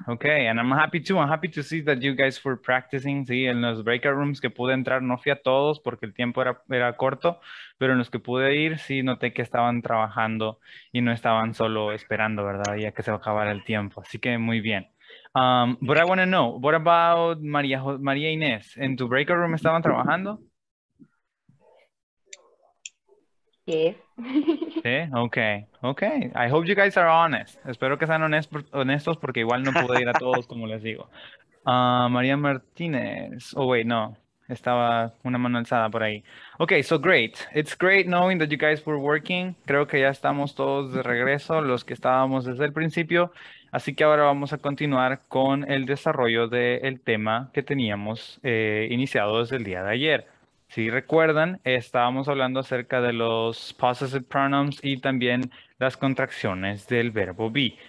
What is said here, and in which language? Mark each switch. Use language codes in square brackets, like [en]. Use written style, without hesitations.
[en] Okay, and I'm happy too. I'm happy to see that you guys were practicing. [es] Sí, en los breakout rooms que pude entrar, no fui a todos porque el tiempo era corto, pero en los que pude ir, sí, noté que estaban trabajando y no estaban solo esperando, ¿verdad? Ya que se acabara el tiempo. Así que muy bien. [en] But I want to know, what about María Inés? [es] ¿En tu breakout room estaban trabajando? [en] Yeah. Sí, okay. I hope you guys are honest. [es] Espero que sean honestos porque igual no pude ir a todos, como les digo. María Martínez. [en] Oh, wait, no. [es] Estaba una mano alzada por ahí. [en] Okay, so great. It's great knowing that you guys were working. [es] Creo que ya estamos todos de regreso, los que estábamos desde el principio. Así que ahora vamos a continuar con el desarrollo del tema que teníamos iniciado desde el día de ayer. Si recuerdan, estábamos hablando acerca de los possessive pronouns y también las contracciones del verbo be.